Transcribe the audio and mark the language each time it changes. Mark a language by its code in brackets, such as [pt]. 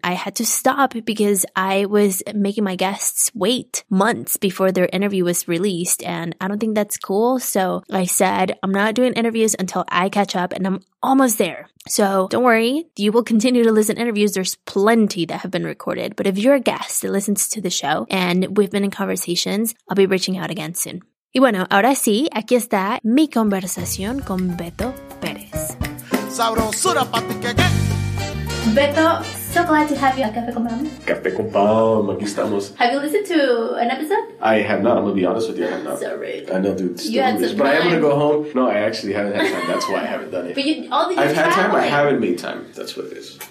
[en] I had to stop because I was making my guests wait months before their interview was released and I don't think that's cool. So I said, I'm not doing interviews until I catch up and I'm almost there. So don't worry, you will continue to listen to interviews. There's plenty that have been recorded. But if you're a guest that listens to the show and we've been in conversations, I'll be reaching out again soon. [es] Y bueno, ahora sí, aquí está mi conversación con Beto Perez. Sabrosura pa' ti, que. [en] Beto, so glad to have you at Café con Pam. [es] Café con Pam, aquí estamos. [en] Have you listened to an episode? I have not, I'm going to be honest with you, I have not. Sorry. I know, dude. You had some time. But I am going to go home. No, I actually haven't had time, that's why I haven't done it. But you, all these I've traveling. Had time, I haven't made time, that's what it is.